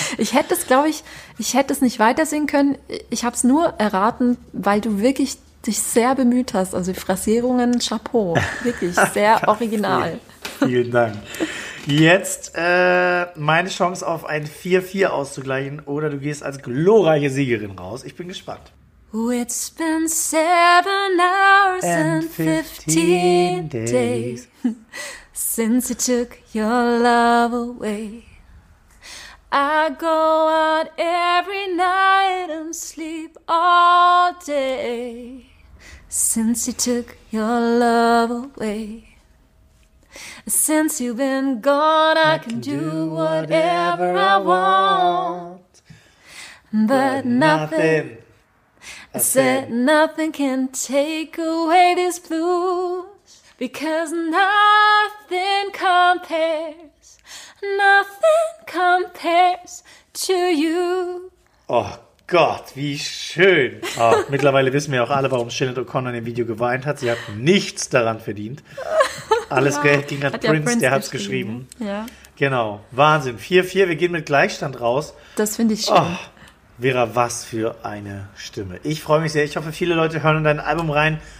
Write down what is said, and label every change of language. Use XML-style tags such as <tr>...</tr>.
<de>Ich hätte es, glaube ich, ich hätte es nicht weitersehen können. Ich habe es nur erraten, weil du wirklich dich sehr bemüht hast, also Phrasierungen, Chapeau, wirklich sehr original. Vielen Dank. Jetzt meine Chance auf ein 4-4 auszugleichen oder du gehst als glorreiche Siegerin raus. Ich bin gespannt.</de> <en>It's been 7 hours and 15 days since you took your love away. I go out every night and sleep all day. Since you took your love away. Since you've been gone, I can do whatever I want. But nothing, I said nothing can take away these blues. Because nothing compares, nothing compares to you.</en> <de>Oh Gott, wie schön. Oh, mittlerweile wissen wir auch alle, warum Sinéad O'Connor in dem Video geweint hat. Sie hat nichts daran verdient. Alles Geld ging an Prince, der hat es geschrieben. Ja. Genau, Wahnsinn. 4-4, wir gehen mit Gleichstand raus. Das finde ich schön. Oh, Vera, was für eine Stimme. Ich freue mich sehr. Ich hoffe, viele Leute hören in dein Album rein.</de>